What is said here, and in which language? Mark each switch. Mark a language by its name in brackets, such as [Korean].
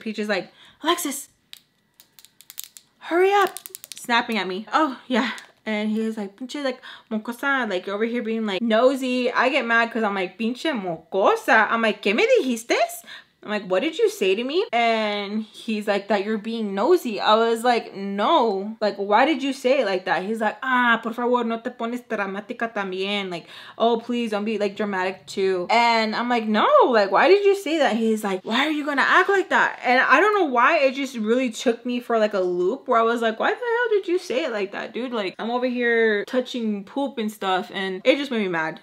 [English] Peach is like, Alexis, hurry up, snapping at me. Oh yeah. And he was like, pinche, like, mocosa, like, over here being, like, nosy. I get mad because I'm like, [Spanish] pinche mocosa. [English] I'm like, [Spanish] ¿qué me dijiste? [English] I'm like, what did you say to me? And he's like, that you're being nosy. I was like, no. Like, why did you say it like that? He's like, [Spanish] ah, por favor, no te pones dramática también. [English] Like, oh, please, don't be, like, dramatic too. And I'm like, no. Like, why did you say that? He's like, why are you gonna act like that? And I don't know why, it just really took me for, like, a loop where I was like, why the hell did you say it like that, dude? Like, I'm over here touching poop and stuff. And it just made me mad.